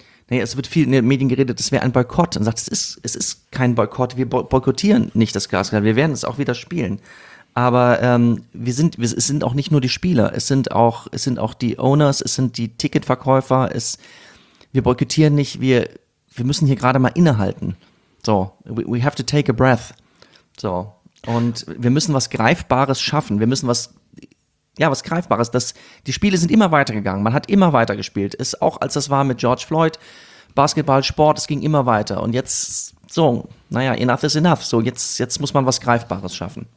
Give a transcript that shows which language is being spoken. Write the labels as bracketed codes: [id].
[de] Nee, es wird viel in den Medien geredet, das wäre ein Boykott. Und sagt, es ist kein Boykott, wir boykottieren nicht das Gaskraftwerk, wir werden es auch wieder spielen. Aber es sind auch nicht nur die Spieler, es sind auch die Owners, es sind die Ticketverkäufer, wir boykottieren nicht, wir müssen hier gerade mal innehalten. [en] So, we have to take a breath. [de] So, und wir müssen was Greifbares schaffen, wir müssen was Greifbares, dass die Spiele sind immer weitergegangen, man hat immer weiter gespielt, ist auch als das war mit George Floyd, Basketball, Sport, es ging immer weiter und jetzt, so, naja, [en] enough is enough, [de] so, jetzt muss man was Greifbares schaffen.